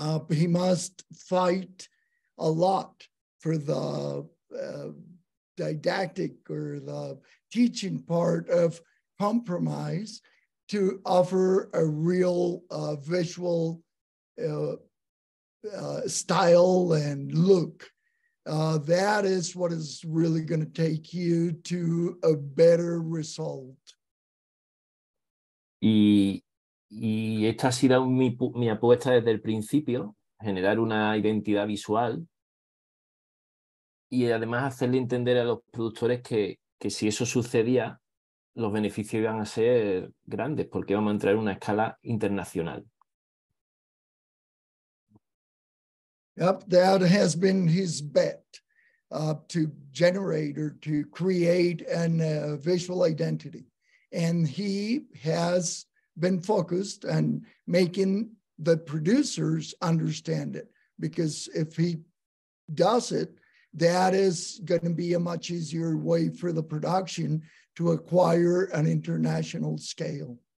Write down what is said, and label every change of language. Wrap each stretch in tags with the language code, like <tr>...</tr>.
<en>He must fight a lot for the didactic or the teaching part of compromise to offer a real visual style and look. That is what is really going to take you to a better result.</en> <es>Y esta ha sido mi apuesta desde el principio, generar una identidad visual y además hacerle entender a los productores que si eso sucedía, los beneficios iban a ser grandes porque íbamos a entrar en una escala internacional.</es> <en>Yep, that has been his bet to generate or to create an visual identity. And he has been focused on making the producers understand it, because if he does it, that is going to be a much easier way for the production to acquire an international scale.</en>